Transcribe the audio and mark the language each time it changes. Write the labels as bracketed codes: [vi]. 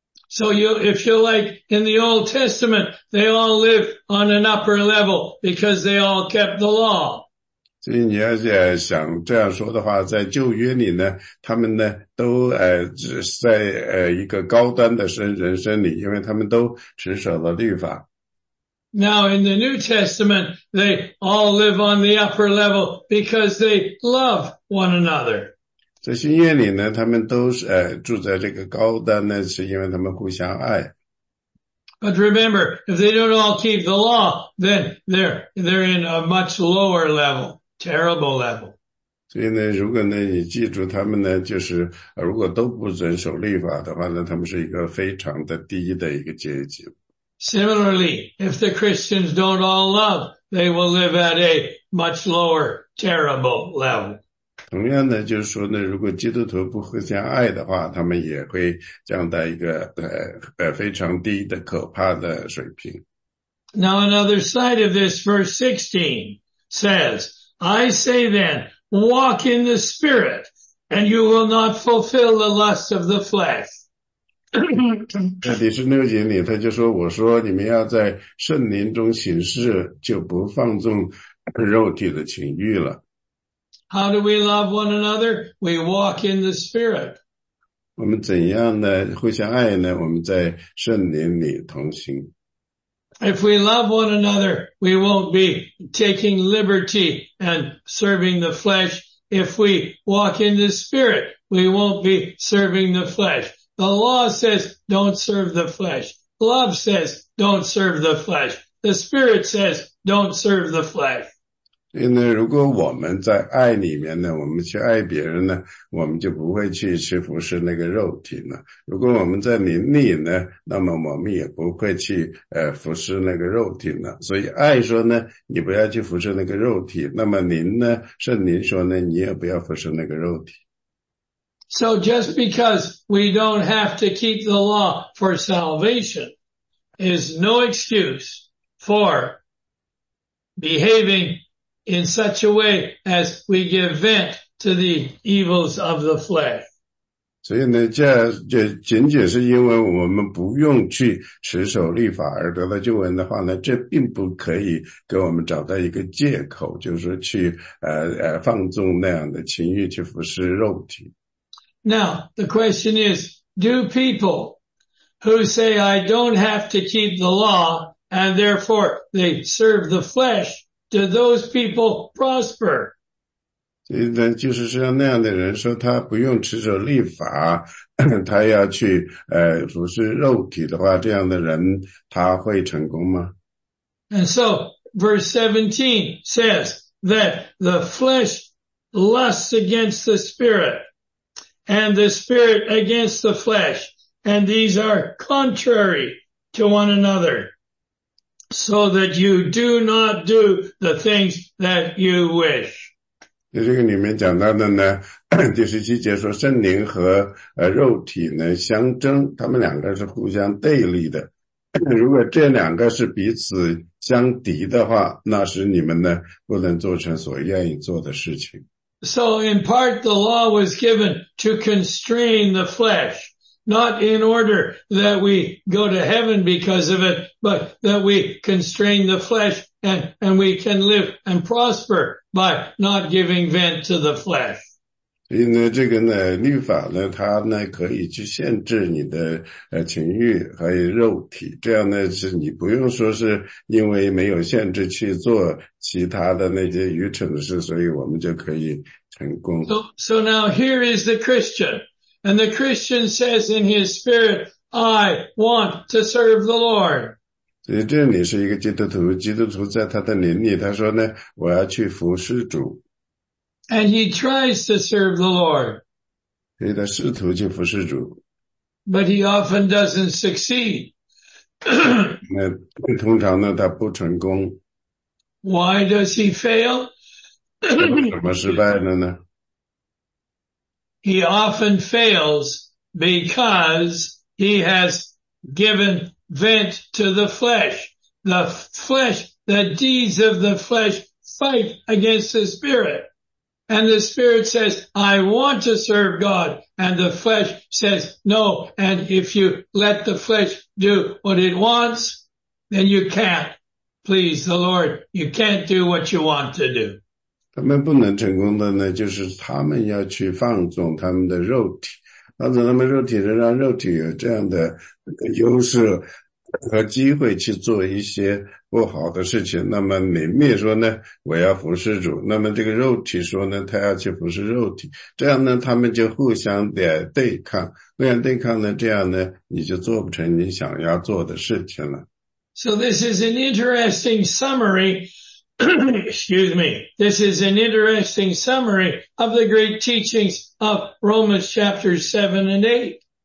[en] So you, if you like, in the Old Testament, they all live on an upper level because they all kept the law. [zh] 所以你要想这样说的话，在旧约里呢，他们呢都在一个高端的人生里，因为他们都持守了律法。 [en] Now in the New Testament, they all live on the upper level because they love one another. [zh] 在新约里呢，他们都是住在这个高端呢，是因为他们互相爱。 [en] But remember, if they don't all keep the law, then they're in a much lower level, terrible level. [zh] 所以呢，如果呢，你记住他们呢，就是如果都不遵守律法的话呢，他们是一个非常的低的一个阶级。 [en] Similarly, if the Christians don't all love, they will live at a much lower, terrible level. [zh] 同样呢，就是说呢，如果基督徒不互相爱的话，他们也会降到一个非常低的可怕的水平。 [en] Now another side of this verse 16 says, I say then, walk in the Spirit, and you will not fulfill the lust of the flesh. [zh] 在第十六节里他就说，我说你们要在圣灵中行事，就不放纵肉体的情欲了。 [en] How do we love one another? We walk in the Spirit. [zh] 我们怎样呢互相爱呢？我们在圣灵里同行。 [en] If we love one another, we won't be taking liberty and serving the flesh. If we walk in the Spirit, we won't be serving the flesh. The law says, don't serve the flesh. Love says, don't serve the flesh. The Spirit says, don't serve the flesh. [zh] 因为如果我们在爱里面呢，我们去爱别人呢，我们就不会去服侍那个肉体了。如果我们在灵里呢，那么我们也不会去服侍那个肉体了。所以爱说呢，你不要去服侍那个肉体，那么灵呢，圣灵说呢，你也不要服侍那个肉体。 [en] So just because we don't have to keep the law for salvation is no excuse for behaving in such a way as we give vent to the evils of the flesh. [zh] 所以呢，这仅仅是因为我们不用去持守律法而得到救恩的话呢，这并不可以给我们找到一个借口，就是去放纵那样的情欲去服侍肉体。 [en] Now, the question is, do people who say, I don't have to keep the law, and therefore they serve the flesh, do those people prosper? [zh] 就是像那样的人说他不用持守律法，他要去服侍肉体的话，这样的人他会成功吗？ [en] And so, verse 17 says that the flesh lusts against the spirit, and the spirit against the flesh, and these are contrary to one another, so that you do not do the things that you wish. [zh] 这个里面讲到的呢，第十七节说圣灵和肉体呢相争，他们两个是互相对立的。如果这两个是彼此相敌的话，那是你们呢不能做成所愿意做的事情。 [en] So in part, the law was given to constrain the flesh, not in order that we go to heaven because of it, but that we constrain the flesh and we can live and prosper by not giving vent to the flesh. [zh] 所以呢，这个呢，律法呢，它呢可以去限制你的情欲还有肉体，这样呢是你不用说是因为没有限制去做其他的那些愚蠢的事，所以我们就可以成功。 [en] So now here is the Christian, and the Christian says in his spirit, I want to serve the Lord. [zh] 所以这里是一个基督徒，基督徒在他的灵里，他说呢，我要去服侍主。 [en] And he tries to serve the Lord. [zh] 所以他试图去服侍主。 [en] But he often doesn't succeed. [zh] 那通常呢，他不成功。 [en] Why does he fail? [zh] 怎么失败了呢？ [en] He often fails because he has given vent to the flesh. The flesh, the deeds of the flesh fight against the spirit. And the spirit says, I want to serve God. And the flesh says, no. And if you let the flesh do what it wants, then you can't please the Lord. You can't do what you want to do. [zh] 他们不能成功的呢，就是他们要去放纵他们的肉体，放纵他们肉体的，让肉体有这样的优势和机会去做一些不好的事情。那么灵里说呢，我要服侍主，那么这个肉体说呢，他要去服侍肉体，这样呢，他们就互相的对抗，互相对抗呢，这样呢，你就做不成你想要做的事情了。 [en] So this is an interesting summary excuse me, this is an interesting summary of the great teachings of Romans chapter 7 and 8.